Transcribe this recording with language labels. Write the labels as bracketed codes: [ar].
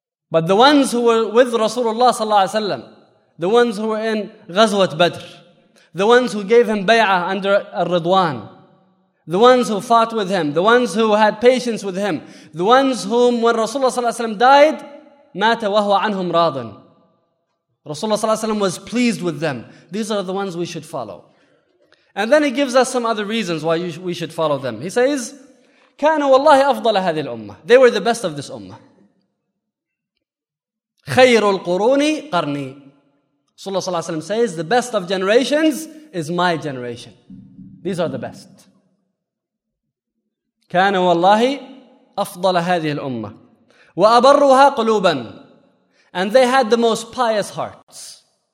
[en] But the ones who were with Rasulullah sallallahu alayhi wa sallam, the ones who were in Ghazwat Badr, the ones who gave him bay'ah under al-Ridwan, the ones who fought with him, the ones who had patience with him, the ones whom when Rasulullah sallallahu alayhi wa sallam died, [ar] مات وهو عنهم راض. [en] Rasulullah sallallahu alayhi wa sallam was pleased with them. These are the ones we should follow. And then he gives us some other reasons why we should follow them. He says, [ar] كانوا والله أفضل هذه الأمة. [en] They were the best of this ummah. [ar] خير القرون قرني. [en] Rasulullah sallallahu alayhi wa sallam says, the best of generations is my generation. These are the best. [ar] كان والله أفضل هذه الأمة وأبرها قلوبا [en] and they had the most pious hearts.